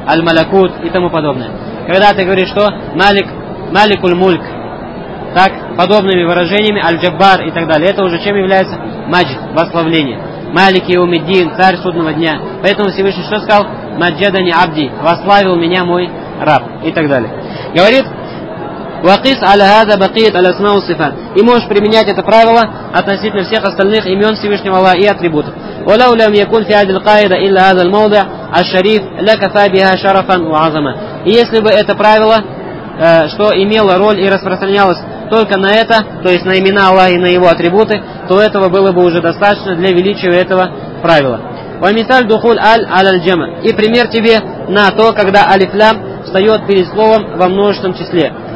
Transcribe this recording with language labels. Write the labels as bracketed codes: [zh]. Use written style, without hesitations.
[ru] Аль-малякут и тому подобное. Когда ты говоришь, что малик, малик-уль-мульк, так, подобными выражениями, аль-джаббар и так далее, это уже чем является? Маджд, восславление. Малик Яумиддин, царь судного дня. Поэтому Всевышний что сказал? Маджадани абди, восславил меня мой раб и так далее. Говорит, [ar] وقيس على هذا بقية الأسماء والصفات. [ru] И можешь применять это правило относительно всех остальных имен Всевышнего Аллаха и атрибутов. [ar] ولو لم يكن في هذه القاعدة إلا هذا الموضع الشريف لكفى بها شرفا وعظما. [ru] И если бы это правило, что имело роль и распространялось только на это, то есть на имена Аллаха и на его атрибуты, то этого было бы уже достаточно для величия этого правила. [ar] ومثال دخول آل على الجمع. [ru] И пример тебе на то, когда алиф лам встает перед словом во множественном числе.